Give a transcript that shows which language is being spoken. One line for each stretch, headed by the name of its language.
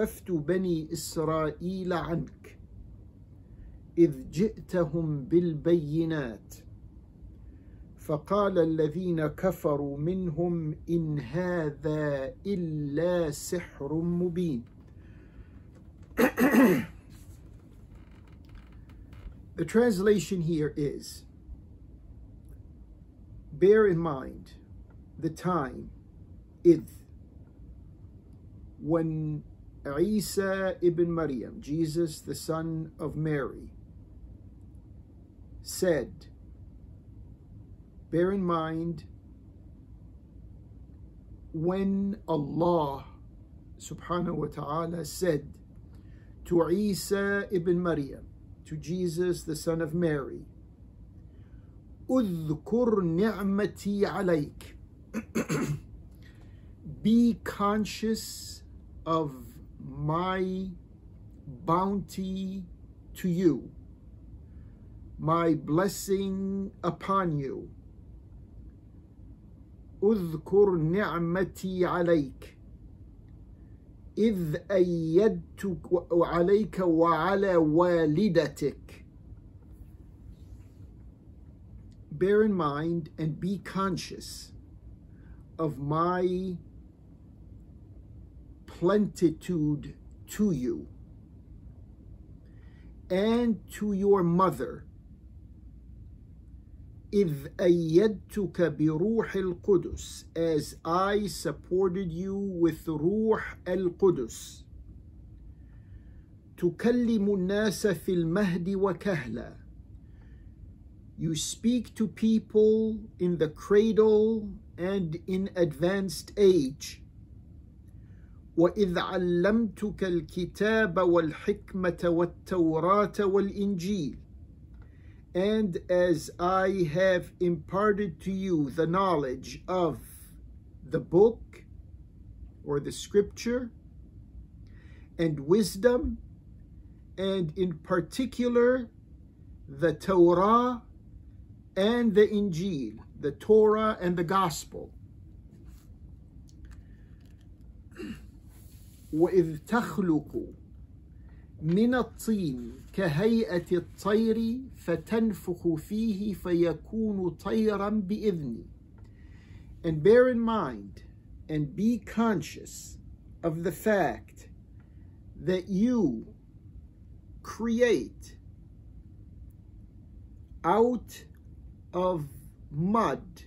Arabic: بني إسرائيل عنك، إذ جئتهم بالبينات، فقال الذين كفروا منهم إن هذا إلا سحر مبين.
English: The translation here is, bear in mind the time, إذ, when Isa ibn Maryam, Jesus the son of Mary, said, bear in mind when Allah subhanahu wa ta'ala said to Isa ibn Maryam, to Jesus the son of Mary,
Arabic: اذكر نعمتي عليك,
English: be conscious of my bounty to you, my blessing upon you.
Arabic: اذكر نعمتي عليك إذ أيدتك عليك وعلى والدتك.
English: Bear in mind and be conscious of my plentitude to you and to your mother.
Arabic: إذ أيدتك بروح القدس,
English: as I supported you with
Arabic: روح القدس. تكلم الناس في المهد وكهلا,
English: you speak to people in the cradle and in advanced age.
Arabic: وإذ علمتك الكتاب والحكمة والتوراة والإنجيل,
English: and as I have imparted to you the knowledge of the book or the scripture and wisdom, and in particular the Torah and the Injil, the Torah and the Gospel.
Arabic: وإذ تخلق من الطين كهيئة الطير فتنفخ فيه فيكون طيرا بإذني.
English: And bear in mind and be conscious of the fact that you create out of mud